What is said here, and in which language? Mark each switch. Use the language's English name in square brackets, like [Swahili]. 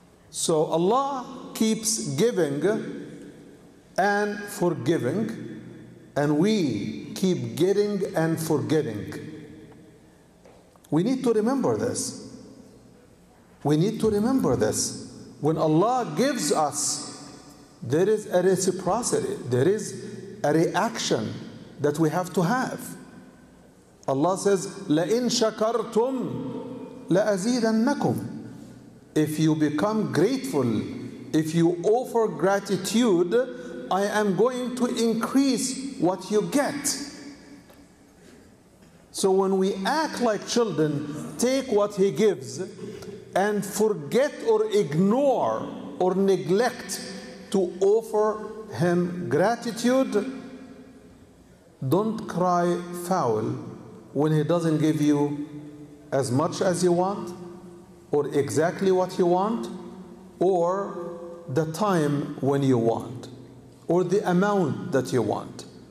[English] So Allah keeps giving and forgiving, and we keep getting and forgetting. We need to remember this. We need to remember this. When Allah gives us, there is a reciprocity, there is a reaction that we have to have. Allah says, [Arabic] لَإِن شَكَرْتُمْ لَأَزِيدَنَّكُمْ. [English] If you become grateful, if you offer gratitude, I am going to increase what you get. So when we act like children, take what He gives, and forget or ignore or neglect to offer Him gratitude, don't cry foul when He doesn't give you as much as you want, or exactly what you want, or the time when you want, or the amount that you want.